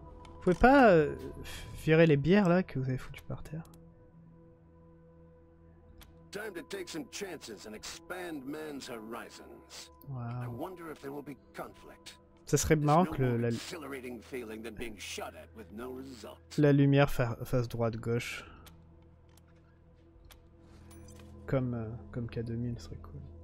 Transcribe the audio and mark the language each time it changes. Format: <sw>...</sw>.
<fr>Vous pouvez pas virer les bières là que vous avez foutues par terre.</fr> <en>Time to take some chances and expand man's horizons. Wow. I wonder if there will be conflict.</en> <fr>Ça serait marrant que la lumière fasse droite gauche. Comme K2000 serait cool.</fr>